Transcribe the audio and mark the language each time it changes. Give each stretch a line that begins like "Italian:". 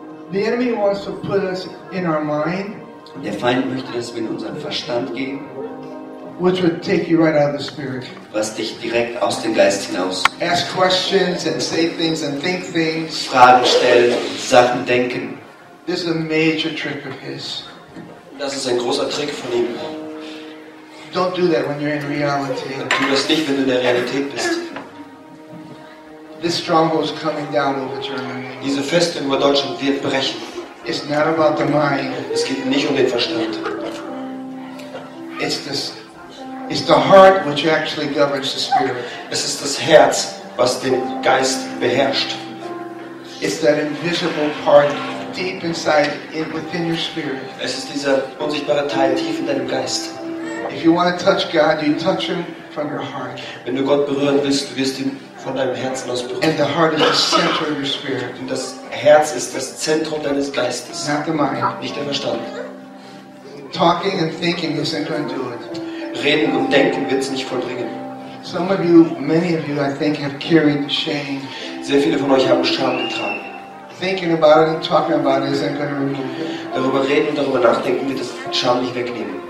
English: The enemy wants to put us in our mind.
German: Der Feind möchte, dass wir in unseren Verstand gehen.
English: Which would take you right out of the spirit.
German: Was dich direkt aus dem Geist hinaus.
English: Ask questions and say things and think things.
German: Fragen stellen, Sachen denken.
English: This is a major trick of his.
German: Das ist ein großer Trick von ihm.
English: Don't do that when you're in reality.
German: Tu das nicht, wenn du in der Realität bist.
English: This stronghold is coming down over Germany.
German: Diese Festung über Deutschland wird brechen.
English: It's not about the mind.
German: Es geht nicht um den Verstand.
English: It's the heart which actually governs the spirit.
German: Es ist das Herz, was den Geist beherrscht.
English: It's that invisible part deep inside, within your spirit.
German: Es ist dieser unsichtbare Teil tief in deinem Geist.
English: If you want to touch God, you touch him from your heart.
German: Wenn du Gott berühren willst, du wirst ihn von deinem Herzen aus berühren.
English: And the heart is the center of your spirit.
German: Und das Herz ist das Zentrum deines Geistes.
English: Not the mind.
German: Nicht der Verstand.
English: Talking and thinking isn't going to do it.
German: Reden und denken wird es nicht vollbringen.
English: Some of you, many of you, I think, have carried shame.
German: Sehr viele von euch haben Scham getragen.
English: Thinking about it and talking about it isn't going to remove it.
German: Darüber reden und darüber nachdenken wird das Scham nicht wegnehmen.